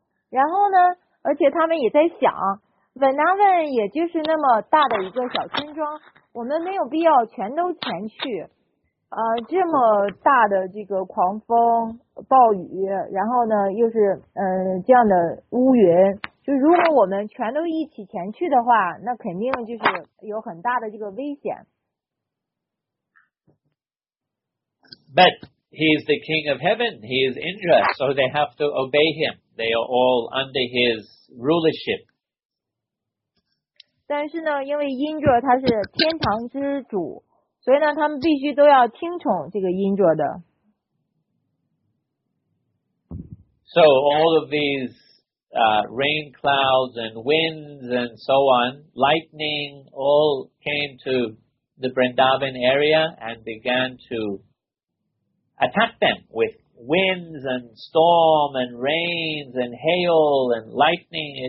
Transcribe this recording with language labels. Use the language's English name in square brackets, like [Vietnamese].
[Chinese] 然后呢，而且他们也在想，文达文也就是那么大的一个小村庄，我们没有必要全都前去。这么大的这个狂风暴雨，然后呢又是这样的乌云，就如果我们全都一起前去的话，那肯定就是有很大的这个危险。 [English] But he is the king of heaven, he is Indra, so they have to obey him. They are all under his rulership. [Chinese] 但是呢，因为 Indra 他是天堂之主，所以呢，他们必须都要听从这个 Indra 的。 [English] So all of these rain clouds and winds and so on, lightning, all came to the Vrindavan area and began to... attack them with winds and storm and rains and hail and lightning.